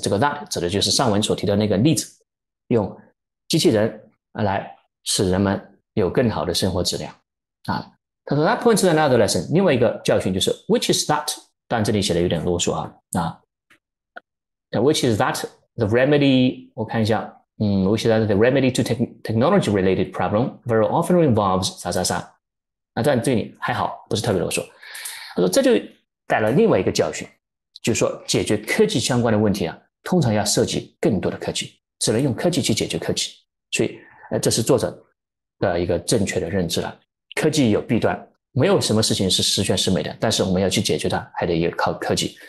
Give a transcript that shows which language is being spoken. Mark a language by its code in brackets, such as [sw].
[zh] 这个 that 指的就是上文所提的那个例子，用机器人来使人们有更好的生活质量啊。他说 [en] that points to another lesson。 [zh] 另外一个教训就是 [en] which is that？ [zh] 但这里写的有点啰嗦啊。 [en] Which is that the remedy? [zh] 我看一下， [en] which is that the remedy to technology related problem very often involves [zh] 啥啥啥？啊，但对你还好，不是特别啰嗦。他说这就带了另外一个教训，就是说解决科技相关的问题啊，通常要涉及更多的科技，只能用科技去解决科技。所以，这是作者的一个正确的认知了。科技有弊端，没有什么事情是十全十美的，但是我们要去解决它，还得靠科技。